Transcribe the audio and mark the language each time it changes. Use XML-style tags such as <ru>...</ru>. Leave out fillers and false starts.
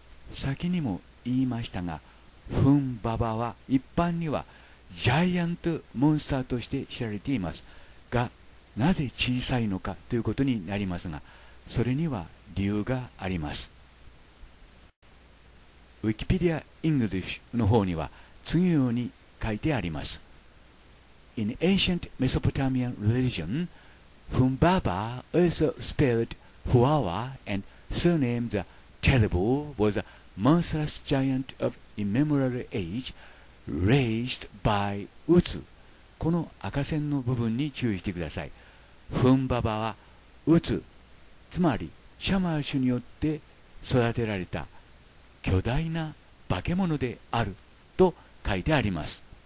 <ja>先にも言いましたが、フンババは一般にはジャイアントモンスターとして知られていますが、なぜ小さいのかということになりますが、それには理由があります。ウィキペディア・イングリッシュの方には次のように書いてあります。</ja> <en>In ancient Mesopotamian religion, Fumbaba also spelled Huawa and surnamed the Terrible was aMonstrous giant of immemorial age, raised by Utsu.</en> <ja>この赤線の部分に注意してください。フンババは Utsu、つまりシャマーシュによって育てられた巨大な化け物であると書いてあります。</ja>